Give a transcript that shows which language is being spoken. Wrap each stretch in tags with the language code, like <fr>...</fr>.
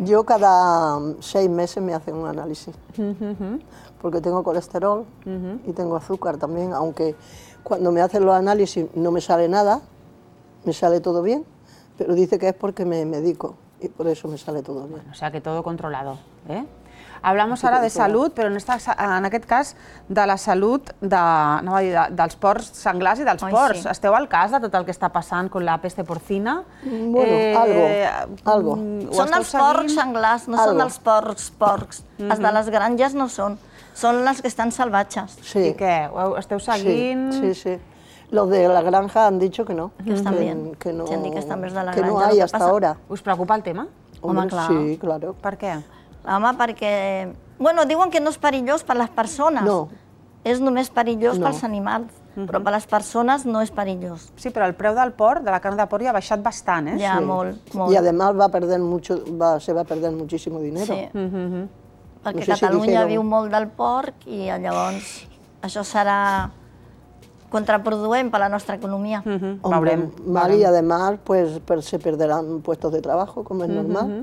<es>Jo cada 6 meses me hacen un análisis. Uh-huh. Porque tengo colesterol, uh-huh, y tengo azúcar también, aunque cuando me hacen los análisis no me sale nada, me sale todo bien, pero dice que es porque me medico y por eso me sale todo bien. Bueno, o sea que todo controlado, ¿eh? Hablamos ahora de salud, pero</es> <ca>en aquest cas de la salud de, no va dir, dels porcs senglars i dels porcs. Sí. Esteu al cas de tot el que està passant amb la peste porcina?</ca> <es>Bueno, algo.</es> <ca>Són dels porcs senglars, no són dels porcs. Mm-hmm. Els de les granges no són. Són les que estan salvatges. Sí. I què? Ho esteu seguint? Sí.</ca> <es>Los de la granja han dicho que no.</es> <ca>Que estan bé. Que no, han dit que estan més de la que granja.</ca> <es>Que no hay hasta ahora.</es> <ca>Us preocupa el tema? Home, clar.</ca> <es>Sí, claro.</es> <ca>Per què? Home, perquè... Bueno, diuen que no és perillós per les persones. No. És només perillós pels animals, uh-huh, però per les persones no és perillós. Sí, però el preu del porc, de la carn de porc, ja ha baixat bastant, eh? Ja, sí. Molt. I, además, se va perdent moltíssim diner. Sí. Uh-huh. Perquè no sé Catalunya si viu molt del porc i, llavors, això serà contraproduent per la nostra economia. Uh-huh. Veurem.</ca> <es>Mal, i, además, pues, se perderán puestos de trabajo,</es> <ca>com és normal.</ca>